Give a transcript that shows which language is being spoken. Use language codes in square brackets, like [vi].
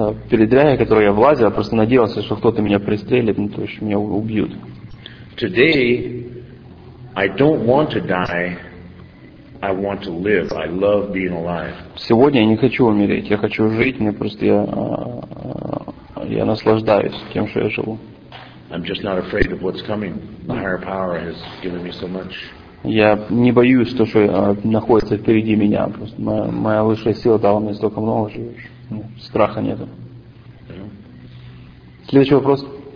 [ru] Передряги, которые я влазил, я просто надеялся, что кто-то меня пристрелит, ну, то есть меня убьют. [en] Today I don't want to die. I want to live. I love being alive. [ru] Сегодня я не хочу умереть, я хочу жить, мне просто я наслаждаюсь тем, что я живу. [en] I'm just not afraid of what's coming. The higher power has given me so much. [ru] Я не боюсь того, что находится впереди меня. Просто моя высшая сила дала мне столько много, что страха нет. Следующий вопрос.